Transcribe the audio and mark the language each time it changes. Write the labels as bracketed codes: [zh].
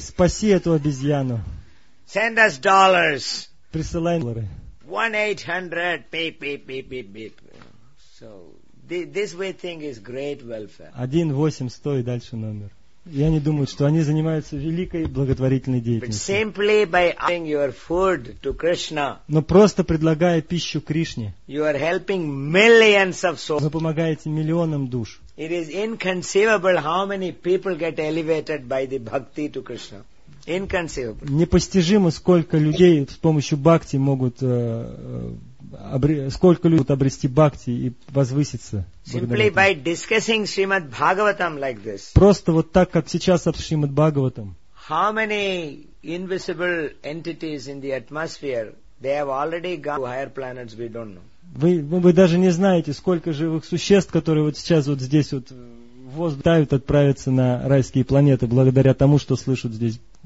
[ru] Спаси эту обезьяну. [en] Send us dollars. [ru] Присылай доллары. [en] 1-800, beep. So, this way thing is great welfare. [ru] 1-800 и дальше номер. И они думают, что они занимаются великой благотворительной деятельностью. [en] But simply by offering your food to Krishna, [ru] но просто предлагая пищу Кришне, [en] you are helping millions of souls. [ru] Вы помогаете миллионам душ. [en] It is inconceivable how many people get elevated by the bhakti to Krishna. [ru] Непостижимо, сколько людей с помощью бхакти могут обрести бхакти и возвыситься. [en] Simply by discussing Srimad Bhagavatam like this. [ru] Просто вот так, как сейчас об Srimad Bhagavatam. [en] How many invisible entities in the atmosphere they have already gone to higher planets, we don't know. [ru] Вы даже не знаете, сколько живых существ, которые вот сейчас вот здесь вот воздают отправиться на райские планеты благодаря тому, что слышат здесь.